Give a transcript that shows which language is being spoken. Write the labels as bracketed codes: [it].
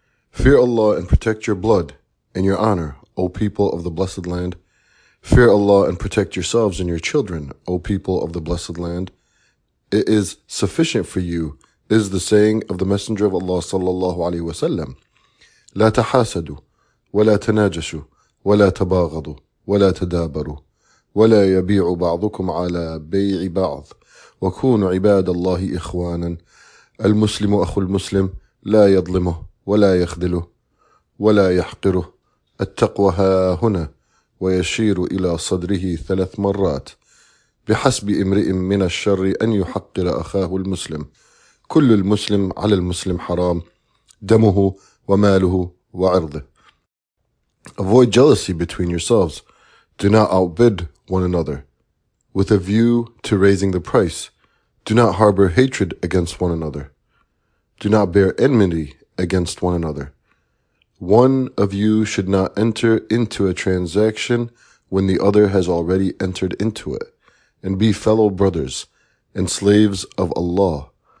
[en] Fear Allah and protect your blood and your honor, O people of the Blessed Land. Fear Allah and protect yourselves and your children, O people of the Blessed Land. It is sufficient for you is the saying of the Messenger of Allah sallallahu alaihi wasallam. [ar] لا تحاسدوا ولا تناجشوا ولا تباغضوا ولا تدابروا ولا يبيع بعضكم على بيع بعض وكونوا عباد الله إخوانا المسلم أخو المسلم لا يظلمه ولا يخذله ولا يحقره التقوى ها هنا ويشير إلى صدره ثلاث مرات بحسب امرئ من الشر أن يحقر أخاه المسلم كل المسلم على المسلم حرام دمه وماله وعرضه. [en] Avoid jealousy between yourselves. Do not outbid one another with a view to raising the price. Do not harbor hatred against one another. Do not bear enmity against one another. One of you should not enter into a transaction when the other has already entered into it, and be fellow brothers and slaves of Allah.